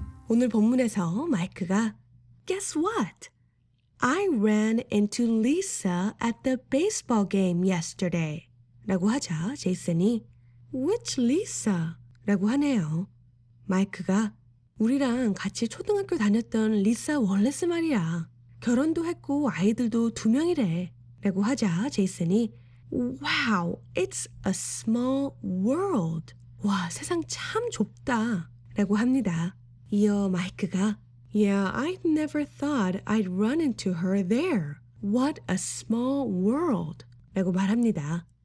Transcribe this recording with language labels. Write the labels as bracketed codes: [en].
[ko] 오늘 본문에서 마이크가 [en] Guess what? I ran into Lisa at the baseball game yesterday. [ko] 라고 하자 제이슨이 [en] Which Lisa? [ko] 라고 하네요. 마이크가 우리랑 같이 초등학교 다녔던 리사 월레스 말이야. 결혼도 했고 아이들도 두 명이래. 라고 하자 제이슨이 [en] Wow, it's a small world. [ko] 와, 세상 참 좁다. 라고 합니다. 이어 마이크가 [en] Yeah, I'd never thought I'd run into her there. What a small world. [ko] 라고 말합니다.